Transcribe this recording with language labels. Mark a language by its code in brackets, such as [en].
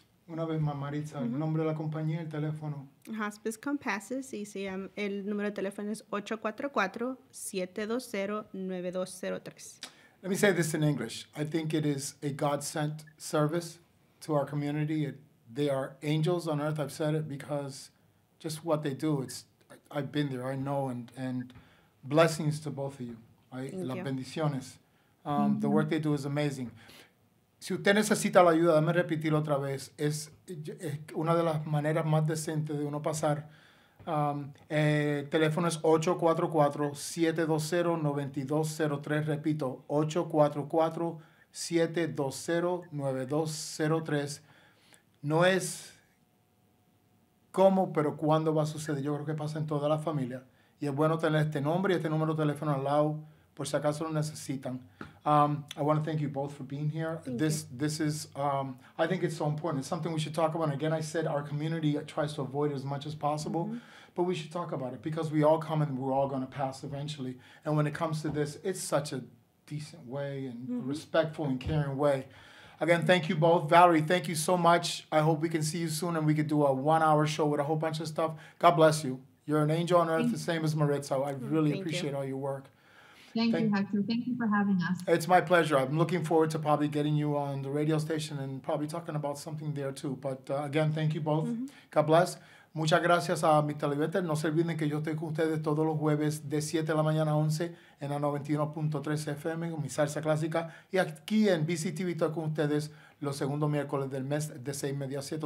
[es] Una vez más, Maritza, el nombre de la compañía, el teléfono. Hospice Compassus, y se llama, el número de teléfono es 844-720-9203. [en] Let me say this in English. I think it is a God-sent service to our community. They are angels on earth. I've said it because just what they do, I've been there, I know, and blessings to both of you. [es] Las bendiciones. [en] The work they do is amazing. [es] Si usted necesita la ayuda, déjame repetir otra vez. Es una de las maneras más decentes de uno pasar. Teléfono es 844-720-9203. Repito, 844-720-9203. No es cómo, pero cuándo va a suceder. Yo creo que pasa en toda la familia. Y es bueno tener este nombre y este número de teléfono al lado, por si acaso lo necesitan. [en] I want to thank you both for being here. This is I think it's so important. It's something we should talk about. Again, I said our community tries to avoid it as much as possible, but we should talk about it because we all come and we're all going to pass eventually. And when it comes to this, it's such a decent way and respectful and caring way. Again, thank you both. Valerie, thank you so much. I hope we can see you soon and we could do a one-hour show with a whole bunch of stuff. God bless you. You're an angel on earth, the same as Maritza. I really appreciate all your work. Thank you, Hector. Thank you for having us. It's my pleasure. I'm looking forward to probably getting you on the radio station and probably talking about something there too. But again, thank you both. God bless. [es] Muchas gracias a mis televidentes. No se olviden que yo estoy con ustedes todos los jueves de 7 de la mañana a 11 en la 91.3 FM con mi salsa clásica. Y aquí en BCTV estoy con ustedes los segundos miércoles del mes de 6 y media a 7.